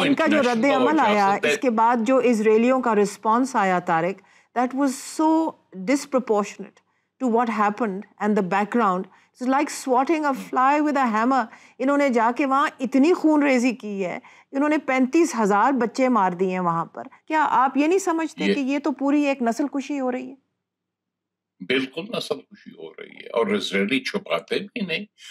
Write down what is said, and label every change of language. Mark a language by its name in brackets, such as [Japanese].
[Urdu] ان کا جو رد عمل آیا اس کے بعد, جو اسرائیلیوں کا رسپانس آیا Tariq, [English] That was so disproportionate to what happened and the background. It's like swatting a fly with a hammer. [Urdu] انہوں نے جا کے وہاں اتنی خون ریزی کی ہے, انہوں نے 35,000 بچے مار دیے ہیں وہاں پر. کیا آپ یہ نہیں سمجھتے کہ یہ تو پوری ایک نسل کشی ہو رہی ہے؟ بالکل نسل کشی ہو رہی ہے, اور اسرائیلی چھپاتے بھی نہیں.